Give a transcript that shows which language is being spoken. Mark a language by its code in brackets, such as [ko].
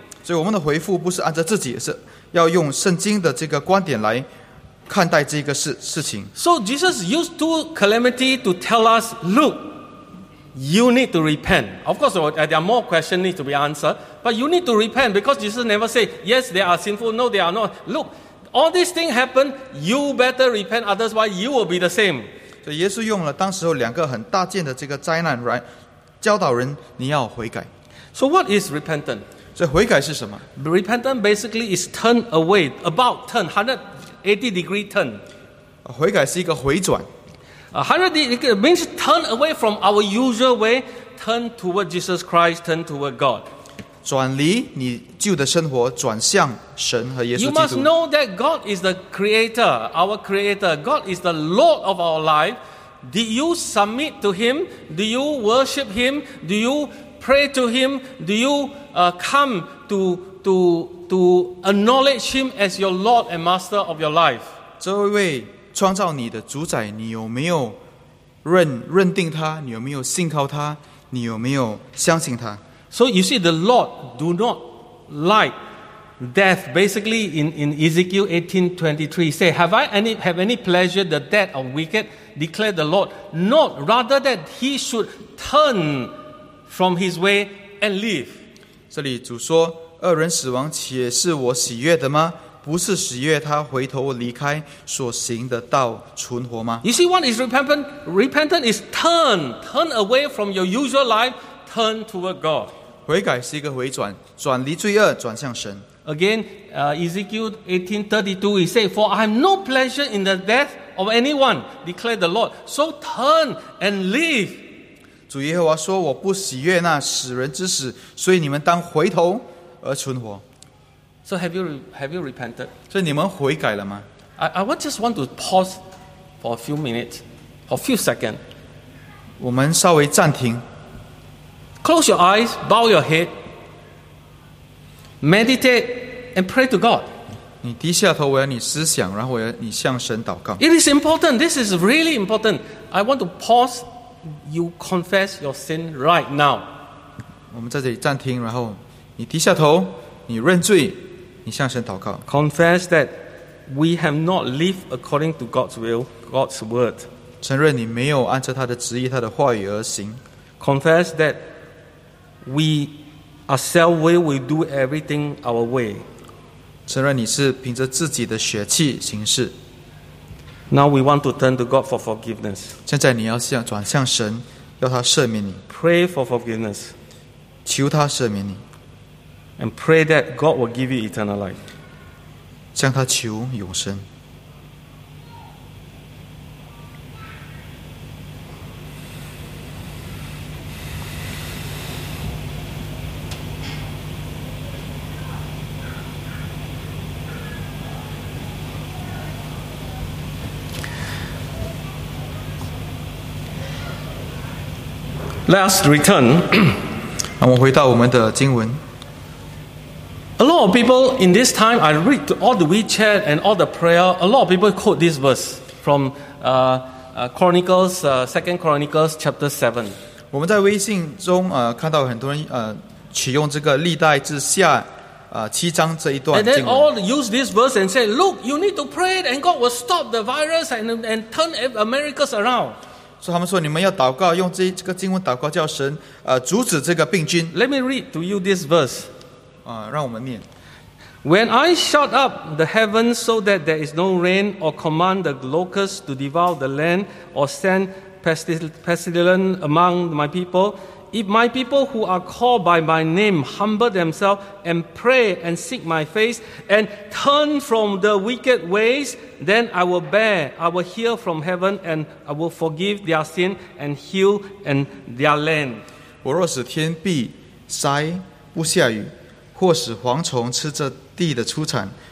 [zh] 所以我们的回复不是按照自己，是要用圣经的这个观点来看待这个事情。 [en] So Jesus used two calamity to tell us, look. You need to repent. Of course, there are more questions need to be answered, but you need to repent because Jesus never said, yes, they are sinful, no, they are not. Look, all these things happen, you better repent, otherwise you will be the same. [zh] So, 耶稣用了当时候两个很大件的这个灾难来教导人你要悔改。 [en] So, what is repentance? [zh] So, 悔改是什么? [en] Repentance basically is turn away, about turn, 180 degree turn. [zh] 悔改是一个回转。 [en] It means turn away from our usual way, turn toward Jesus Christ, turn toward God. [zh] 转离你旧的生活，转向神和耶稣基督。 [en] You must know that God is the Creator, our Creator. God is the Lord of our life. Do you submit to Him? Do you worship Him? Do you pray to Him? Do you come to acknowledge Him as your Lord and Master of your life? [zh] 这位创造你的主宰，你有没有 认定他？你有没有信靠他？你有没有相信他？ [en] So you see, the Lord do not like death. Basically, in Ezekiel 18:23, say, have any pleasure the death of wicked? Declare the Lord, not rather that he should turn from his way and live. [zh] 这里主说，恶人死亡且是我喜悦的吗？不是喜悦他回头离开所行的道存活吗？ [en] You see what is repentance? Repentance is turn away from your usual life, turn toward God. [zh] 悔改是一个回转，转离罪恶，转向神。 [en] Again, Ezekiel 18:32, he said, For I have no pleasure in the death of anyone, declared the Lord. So turn and live. [zh] 主耶和华说，我不喜悦那死人之死，所以你们当回头而存活。 [en] So have you repented? [zh] 所以你们悔改了吗? [en] I just want to pause for a few minutes, for a few seconds. [zh] 我们稍微暂停。 [en] Close your eyes, bow your head, meditate and pray to God. [zh] 你低下头，我要你思想，然后我要你向神祷告。 [en] It is important. This is really important. I want to pause. You confess your sin right now. [zh] 我们在这里暂停，然后你低下头。你认罪，你向神祷告。 [en] Confess that we have not lived according to God's will, God's word. [zh] 承认你没有按照他的旨意、他的话语而行。 [en] Confess that we are self-willed, we do everything our way. [zh] 承认你是凭着自己的血气行事。 [en] Now we want to turn to God for forgiveness. [zh] 现在你要向转向神，要他赦免你。 [en] Pray for forgiveness. [zh] 求他赦免你。 [en] And pray that God will give you eternal life. [zh] 向他求永生。 [en] Let us return. [zh] 我们回到我们的经文。 [en] A lot of people in this time, I read all the WeChat and all the prayer, a lot of people quote this verse from Chronicles, 2 Chronicles chapter 7. [zh] 我们在微信中看到很多人取用这个历代志下七章这一段经文。 [en] And then all use this verse and say, look, you need to pray and God will stop the virus and turn America around. [zh] 所以他们说你们要祷告，用这个经文祷告叫神阻止这个病菌。 [en] Let me read to you this verse. [zh] 让我们念。 [en] When I shut up the heavens so that there is no rain, or command the locusts to devour the land, or send pestilence among my people, if my people who are called by my name humble themselves and pray and seek my face and turn from the wicked ways, then I will hear from heaven and I will forgive their sin and heal and their land. [zh] 我若使天必塞不下雨，或使蝗虫吃这地的出产。